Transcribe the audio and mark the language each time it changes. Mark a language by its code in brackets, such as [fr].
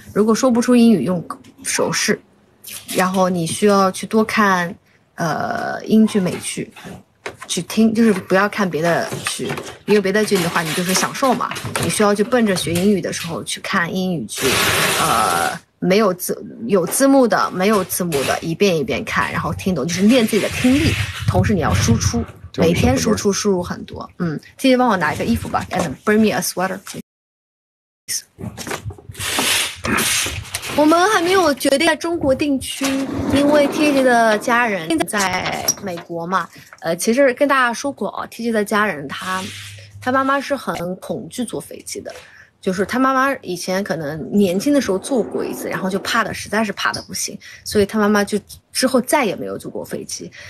[zh] 如果说不出英语，用手势，然后你需要去多看，英剧、美剧，去听，就是不要看别的剧，因为别的剧的话，你就是享受嘛。你需要去奔着学英语的时候去看英语剧，没有字有字幕的，没有字幕的，一遍一遍看，然后听懂，就是练自己的听力。同时你要输出，每天输出输入很多。嗯，记得帮我拿一个衣服吧 ， [en] and bring me a sweater, please. [zh] 我们还没有决定在中国定居，因为 TJ 的家人在美国嘛。其实跟大家说过啊 ，TJ 的家人他妈妈是很恐惧坐飞机的。就是他妈妈以前可能年轻的时候坐过一次，然后就怕的实在是怕的不行，所以他妈妈就之后再也没有坐过飞机。